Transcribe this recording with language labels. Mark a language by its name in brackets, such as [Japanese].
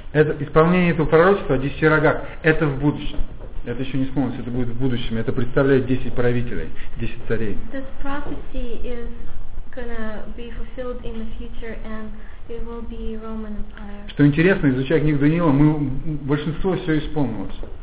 [Russian] Это исполнение этого пророчества о 10 рогах. Это в будущем. Это еще не исполнилось. Это будет в будущем. Это представляет 10 правителей, 10 царей. [English] This prophecy is gonna be fulfilled in the future, and it will be Roman Empire. [Russian] Что интересно, изучая книгу Даниила, мы большинство все исполнилось.